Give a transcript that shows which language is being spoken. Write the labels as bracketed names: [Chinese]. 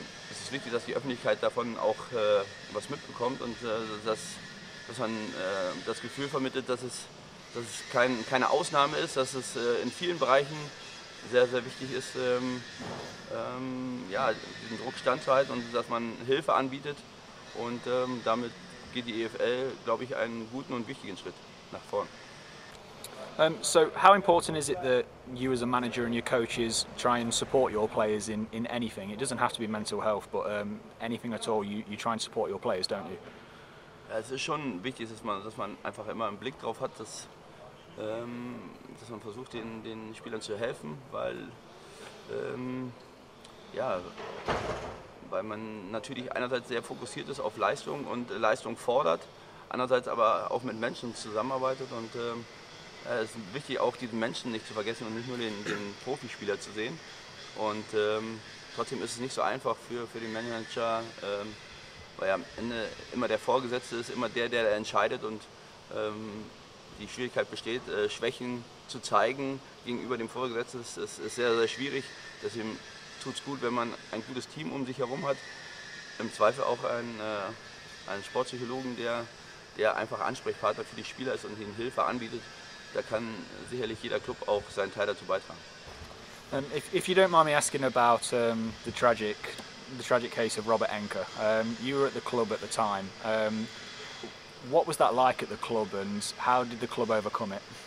[German] Es ist wichtig, dass die Öffentlichkeit davon auch was mitbekommt und dass man das Gefühl vermittelt, dass es keine Ausnahme ist, dass es in vielen Bereichen sehr, sehr wichtig ist, diesen Druck standzuhalten und dass man Hilfe anbietet. Und damit geht die EFL, glaube ich, einen guten und wichtigen Schritt nach vorn. [English] So how important is it that you as a manager and your coaches try and support your players in anything? It doesn't have to be mental health, but anything at all, you try and support your players, don't you? [German] Ja, es ist schon wichtig, dass man einfach immer einen Blick drauf hat, dass man versucht, den Spielern zu helfen, weil man natürlich einerseits sehr fokussiert ist auf Leistung und Leistung fordert, andererseits aber auch mit Menschen zusammenarbeitet. Und es ist wichtig, auch diesen Menschen nicht zu vergessen und nicht nur den Profispieler zu sehen. Und trotzdem ist es nicht so einfach für den Manager, weil am Ende immer der Vorgesetzte ist, immer der entscheidet. Und die Schwierigkeit besteht, Schwächen zu zeigen gegenüber dem Vorgesetzten. Das ist sehr, sehr schwierig. Deswegen tut es gut, wenn man ein gutes Team um sich herum hat. Im Zweifel auch einen Sportpsychologen, der einfach Ansprechpartner für die Spieler ist und ihnen Hilfe anbietet. Da kann sicherlich jeder Club auch seinen Teil dazu beitragen. [English] If you don't mind me asking about the tragic case of Robert Enke, you were at the club at the time. What was that like at the club, and how did the club overcome it?